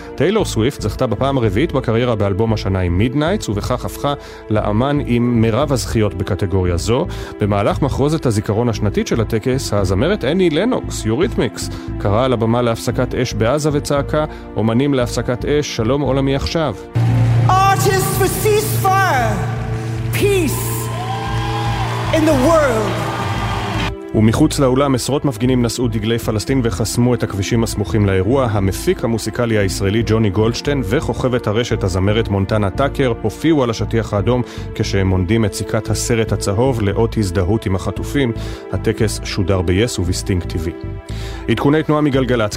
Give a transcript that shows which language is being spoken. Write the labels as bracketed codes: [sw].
[he] טיילור סוויפט זכתה בפעם הרביעית בקריירה באלבום השנה עם Midnights, ובכך הפכה לאמן עם מרב הזכיות בקטגוריה זו. במהלך מחרוזת הזיכרון השנתית של הטקס, הזמרת אני לנוקס, יוריתמיקס, קראה על הבמה להפסקת אש בעזה וצעקה אומנים להפסקת אש, שלום עולמי עכשיו. [en] Artists for ceasefire, peace in the world. [he] ומחוץ לאולם עשרות מפגינים נשאו דגלי פלסטין וחסמו את הכבישים הסמוכים לאירוע. המפיק המוסיקלי הישראלי ג'וני גולדשטיין וחוכבת הרשת הזמרת מונטנה טאקר הופיעו על השטיח האדום כשהם עונדים את סיכת הסרט הצהוב לאות הזדהות עם החטופים. הטקס שודר ב-YES ובסטינג TV. עדכוני תנועה מגלגלץ.